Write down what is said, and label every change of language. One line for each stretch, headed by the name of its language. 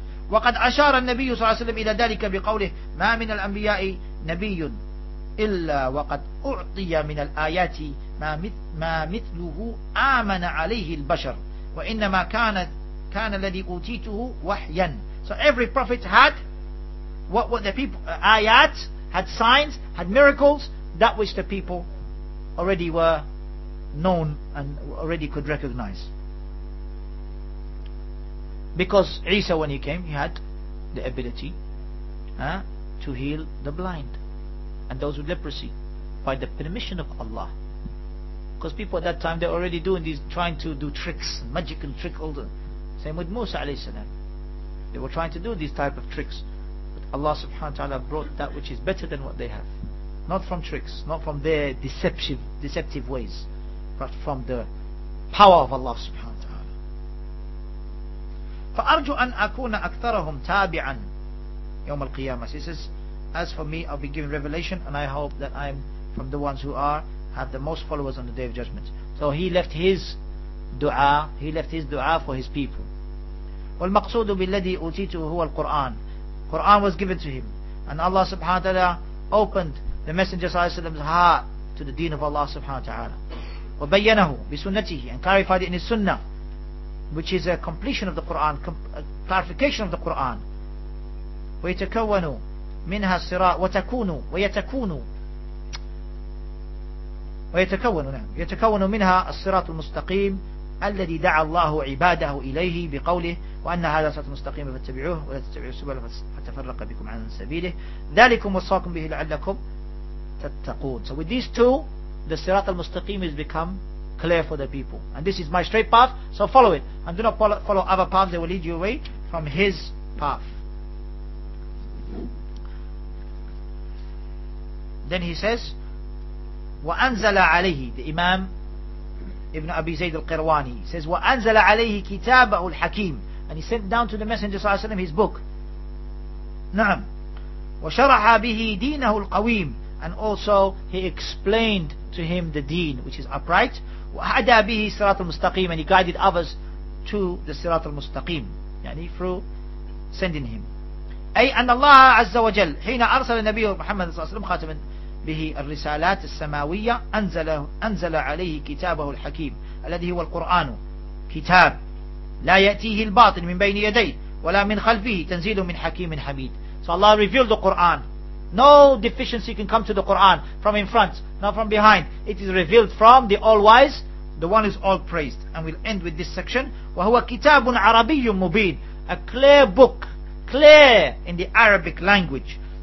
Arabic: وقد أشار النبي صلى الله عليه وسلم إلى ذلك بقوله ما من الأنبياء نبي إلا وقد أعطي من الآيات ما مثله آمن عليه البشر وإنما كان الذي أوتيته وحيا.
English: So every prophet had what the people آيات, had signs, had miracles, that which the people already were known and already could recognize. Because Isa, when he came, he had the ability to heal the blind and those with leprosy by the permission of Allah. Because people at that time, they're already doing these, trying to do tricks, magical trick all the same with Musa alayhi salam. They were trying to do these type of tricks, but Allah subhanahu wa ta'ala brought that which is better than what they have, not from tricks, not from their deceptive ways, but from the power of Allah subhanahu wa ta'ala.
Arabic: فَأَرْجُ أَنْ أَكُونَ أَكْثَرَهُمْ تَابِعًا يَوْمَ الْقِيَامَةِ.
English: He says, as for me, I'll be given revelation, and I hope that I'm from the ones who have the most followers on the Day of Judgment. So he left his dua. He left his dua for his people.
Arabic: والمقصود بالذي أوتيته هو القرآن.
English: Quran was given to him, and Allah Subhanahu wa Taala opened the Messenger Sallallahu Alaihi Wasallam's heart to the Deen of Allah Subhanahu wa Taala.
Arabic: وبينه بسنته,
English: and clarified it in his Sunnah, which is a completion of the Quran, a clarification of the Quran.
Arabic: ويتكونوا منها الصراع وتكونوا ويتكونوا ويتكون نعم يتكون منها الصراط المستقيم الذي دعا الله عباده إليه بقوله وأن هذا صراط مستقيم فاتبعوه ولا تتبعوا السبل فتفرق بكم عن سبيله ذلكم وصاكم به لعلكم تتقون.
English: So with these two, the صراط المستقيم has become clear for the people, and this is my straight path, so follow it, and do not follow other paths, they will lead you away from his path. Then he says,
Arabic: وأنزل عليه,
English: the Imam Ibn Abi Zayd al-Qirwani says,
Arabic: وأنزل عليه كتابه الحكيم,
English: and he sent down to the Messenger صلى الله عليه وسلم his book.
Arabic: نعم. وشرح به دينه القويم,
English: and also he explained to him the deen which is upright.
Arabic: وَهَدَى بِهِ سِرَاطَ الْمُسْتَقِيمِ,
English: and he guided others to the سِرَاطَ الْمُسْتَقِيمِ,
Arabic: يعني
English: through sending him.
Arabic: أي أن الله عز وجل حين أرسل النبي محمد صلى الله عليه وسلم خاتما به الرسالات السماوية أنزل عليه كتابه الحكيم الذي هو القرآن, كتاب لا يأتيه الباطل من بين يديه ولا من خلفه تنزيل من حكيم حميد.
English: So Allah revealed the Quran. No deficiency can come to the Quran from in front, not from behind. It is revealed from the All-Wise, the One who is All-Praised. And we'll end with this section.
Arabic: وَهُوَ كِتَابٌ عَرَبِيٌّ مُبِينٌ,
English: a clear book, clear in the Arabic language.